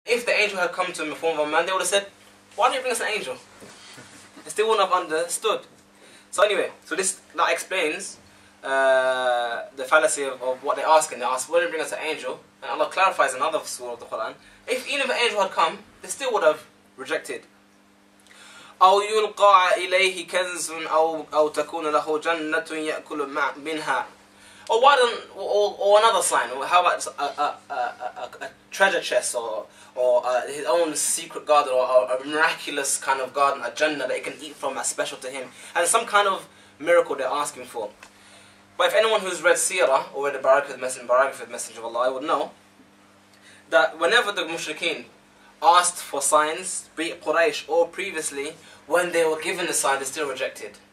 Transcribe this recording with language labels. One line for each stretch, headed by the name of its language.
English: if the angel had come to him in the form of a man, they would have said, why don't you bring us an angel? They still wouldn't have understood. So anyway, so this that explains the fallacy of what they're asking. They ask, why don't you bring us an angel? And Allah clarifies another surah of the Quran. If even if an angel had come, they still would have rejected.
Arabic: أو يلقى إليه كنز أو تكون له جنة يأكل منها.
English: Or why don't, or another sign? Or how about a treasure chest or his own secret garden or a miraculous kind of garden, a jannah that he can eat from, that's special to him, and some kind of miracle they're asking for. But if anyone who's read Seerah or read the biography of the Messenger of Allah, would know that whenever the mushrikeen asked for signs, be it Quraysh or previously, when they were given the sign, they still rejected.